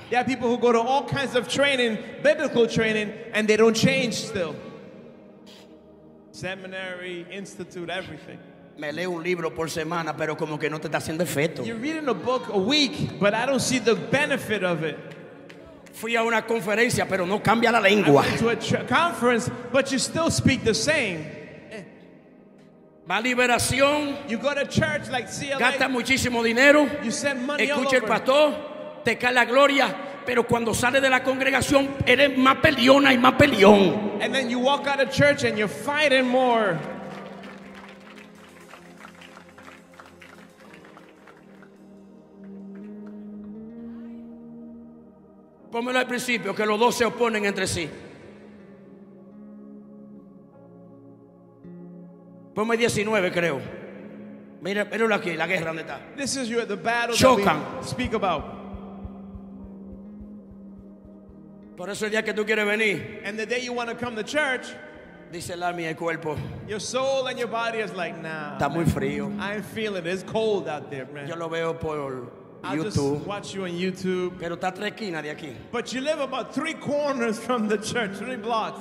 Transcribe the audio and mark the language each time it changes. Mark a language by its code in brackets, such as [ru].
[en] There are people who go to all kinds of training, biblical training, and they don't change still. Seminary, institute, everything. [es] Me leo un libro por semana, pero como que no te está haciendo efecto. [en] You're reading a book a week, but I don't see the benefit of it. [es] Fui a una conferencia, pero no cambia la lengua. [en] I went to a conference, but you still speak the same. [es] Va a liberación. [en] You go to church like CLA. [es] Gasta muchísimo dinero. [en] You send money. [es] Escucha [en] all [es] el pastor, te cae la gloria, pero cuando sales de la congregación eres más peleona y más peleón. [en] And then you walk out of church and you're fighting more. [es] Pónmelo al principio, que los dos se oponen entre sí. Ponme 19, creo. Mira, mira aquí, la guerra donde está. [en] This is the battle. [es] Chocan. [en] That we speak about. [es] Por eso el día que tú quieres venir. [en] And the day you want to come to church. [es] Dice el alma y el cuerpo. [en] Your soul and your body is like, nah. [es] Está muy frío. [en] I feel it. It's cold out there, man. [es] Yo lo veo por YouTube. [en] I just watch you on YouTube. [es] Pero está a tres esquinas de aquí. [en] But you live about three corners from the church, three blocks.